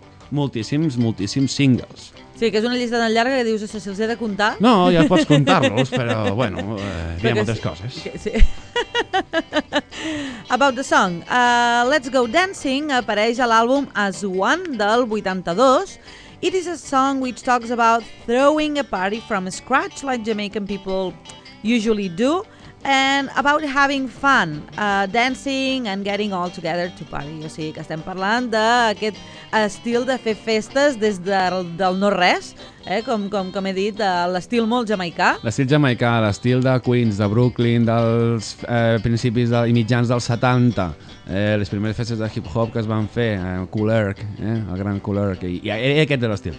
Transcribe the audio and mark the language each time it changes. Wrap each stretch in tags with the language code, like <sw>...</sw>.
<ca>moltíssims, moltíssims singles. Sí, que és una llista tan llarga que dius, això, si els he de comptar... No, ja pots comptar-los, però, bueno, hi ha moltes coses. Sí.</ca> <en>About the song.</en> <ca>Let's Go Dancing apareix a l'àlbum As One del 82.</ca> <en>It is a song which talks about throwing a party from scratch, like Jamaican people usually do, and about having fun, dancing and getting all together to party.</en> <ca>O sigui, que estem parlant d'aquest estil de fer festes des del no-res, com he dit, l'estil molt jamaicà. L'estil jamaicà, l'estil de Queens, de Brooklyn, dels principis i mitjans dels 70, les primeres festes de hip-hop que es van fer, Kool Herc, el gran Kool Herc, i aquest era l'estil.</ca>